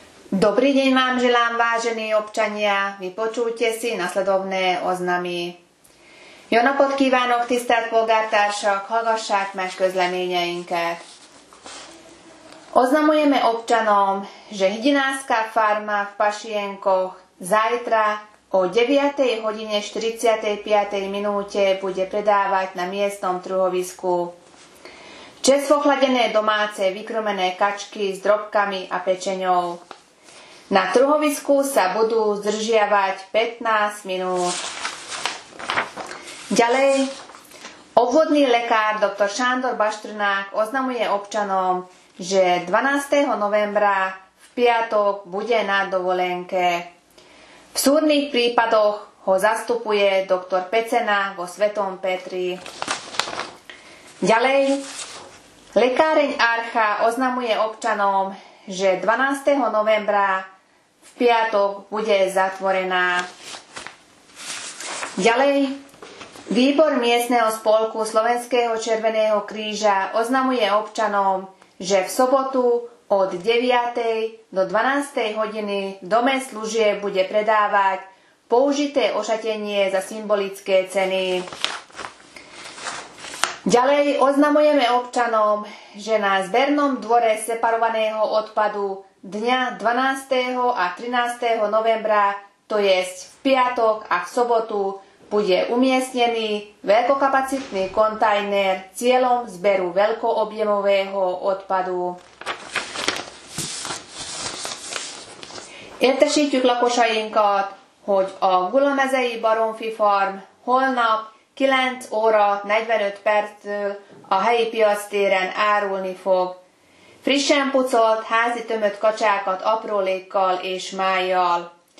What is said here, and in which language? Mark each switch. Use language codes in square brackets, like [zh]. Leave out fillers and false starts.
[sk] Dobrý deň vám želám, vážení občania. Vypočujte si nasledovné oznamy. [hu] Jó napot kívánok, tisztelt polgártársak, hallgassák más közleményeinket. [sk] Oznamujeme občanom, že Hydinárska farma v Pašienkoch zajtra o 9:45 bude predávať na miestnom trhovisku čerstvochladené domáce vykrmené kačky s drobkami a pečeňou. Na trhovisku sa budú zdržiavať 15 minút. Ďalej, obvodný lekár dr. Sándor Baštrnák oznamuje občanom, že 12. novembra v piatok bude na dovolenke. V súrnych prípadoch ho zastupuje dr. Pecena vo Svetom Petri. Ďalej, lekáreň Archa oznamuje občanom, že 12. novembra v piatok bude zatvorená. Ďalej, výbor miestneho spolku Slovenského Červeného kríža oznamuje občanom, že v sobotu od 9. do 12. hodiny v dome služie bude predávať použité ošatenie za symbolické ceny. Ďalej oznamujeme občanom, že na zbernom dvore separovaného odpadu dňa 12. a 13. novembra, to jest v piatok a v sobotu, bude umiestnený veľkokapacitný kontajner cieľom zberu veľkoobjemového odpadu. [hu] Értesítjük lakosainkat, hogy a Gulamezei Baromfi Farm holnap 9:45 a helyi piactéren árulni fog. Frissen pucolt házi tömött kacsákat aprólékkal és májjal.